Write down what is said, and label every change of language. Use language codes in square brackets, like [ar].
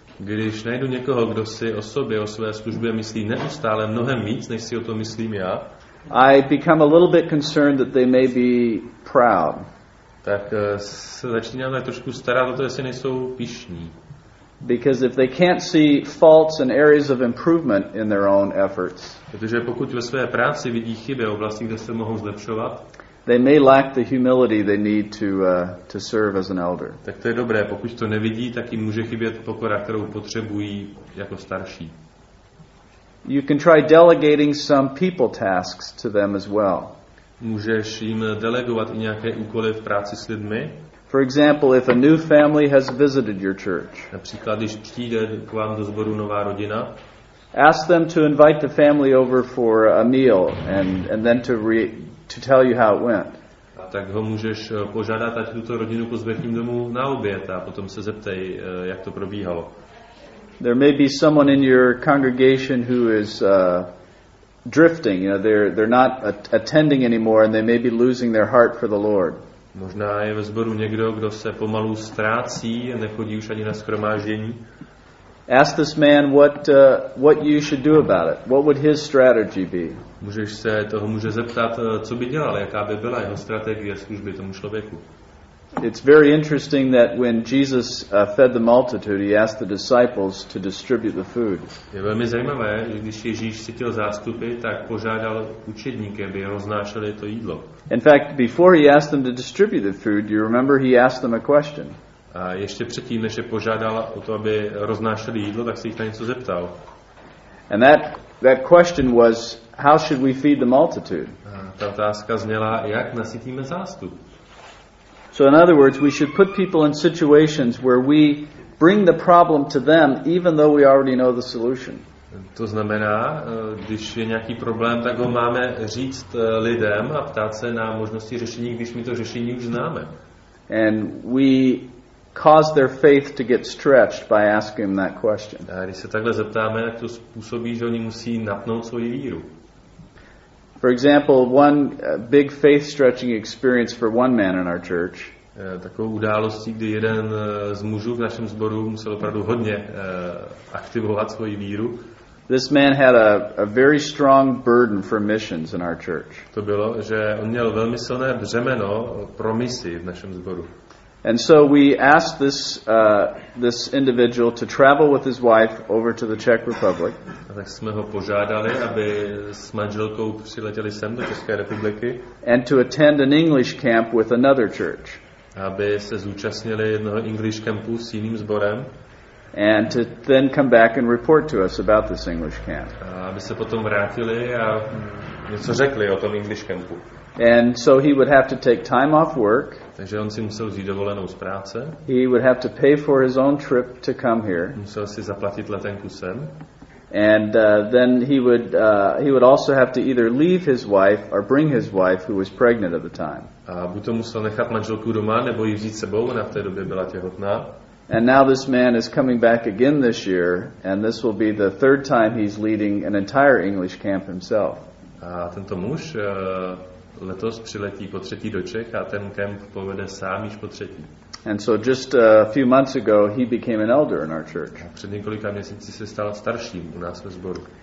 [cs] když najdu někoho, kdo si o sobě, o své službě myslí neustále mnohem víc, než si o tom myslím já, [en] I become a little bit concerned that they may be proud. [cs] Tak se začínám trošku starat o to, jestli nejsou pyšní. [en] Because if they can't see faults and areas of improvement in their own efforts, [cs] protože pokud ve své práci vidí chyby v oblasti, kde se mohou zlepšovat, [en] they may lack the humility they need to serve as an elder. [cs] Tak to je dobré, pokud to nevidí, tak jim může chybět pokora, kterou potřebují jako starší. [en] You can try delegating some people tasks to them as well. [cs] Můžeš jim delegovat i nějaké úkoly v práci s lidmi? [en] For example, if a new family has visited your church. [cs] Například, když přijde k vám do sboru nová rodina. [en] Ask them to invite the family over for a meal and then to tell you how it went. [cs] A tak ho můžeš požádat, ať tuto rodinu pozve k ním domů na oběd a potom se zeptej, jak to probíhalo. [en] There may be someone in your congregation who is drifting, you know, they're not attending anymore and they may be losing their heart for the Lord. [cs] Možná je ve sboru někdo, kdo se pomalu ztrácí, nechodí už ani na shromáždění. [en] Ask this man what you should do about it. What would his strategy be? [cs] Můžeš se toho muže zeptat, co by dělal, jaká by byla jeho strategie služby tomu člověku. [en] It's very interesting that when Jesus fed the multitude, he asked the disciples to distribute the food. [cs] Je velmi zajímavé, když Ježíš sytil zástupy, tak požádal učedníky, aby roznášeli to jídlo. [en] In fact, before he asked them to distribute the food, you remember he asked them a question. [cs] A ještě předtím, než je požádal o to, aby roznášeli jídlo, tak se jich na něco zeptal. [en] And that question was, how should we feed the multitude? [cs] A ta otázka zněla, jak nasytíme zástup. [en] So in other words, we should put people in situations where we bring the problem to them, even though we already know the solution. [cs] To znamená, když je nějaký problém, tak ho máme říct lidem a ptát se na možnosti řešení, když my to řešení už známe. [en] And we cause their faith to get stretched by asking them that question. [cs] A když se takhle zeptáme, tak to způsobí, že oni musí napnout svoji víru. [en] For example, one big faith-stretching experience for one man in our church. [cs] Takovou událostí, kdy jeden z mužů v našem sboru musel opravdu hodně aktivovat svoji víru. [en] This man had a very strong burden for missions in our church. [cs] To bylo, že on měl velmi silné břemeno pro misi v našem sboru. [en] And so we asked this individual to travel with his wife over to the Czech Republic. [cs] A tak jsme ho požádali, aby s manželkou přiletěli sem do České republiky. [en] And to attend an English camp with another church. [cs] Aby se zúčastnili jednoho English campu s jiným sborem. [en] And to then come back and report to us about this English camp. [cs] A aby se potom vrátili a něco řekli o tom English campu. [en] And so he would have to take time off work. [cs] Takže on si musel vzít dovolenou z práce. [en] He would have to pay for his own trip to come here. [cs] Musel si zaplatit letenku sem. [en] And then he would also have to either leave his wife or bring his wife who was pregnant at the time. [cs] A buď to musel nechat manželku doma nebo ji vzít sebou, ona v té době byla těhotná. [en] And now this man is coming back again this year and this will be the third time he's leading an entire English camp himself. [cs] A tento muž letos přiletí po třetí do Čech a ten kemp povede sám již po třetí. [en] And so just a few months ago he became an elder in our church. [cs] Před několika měsíci se stal starším u nás ve sboru.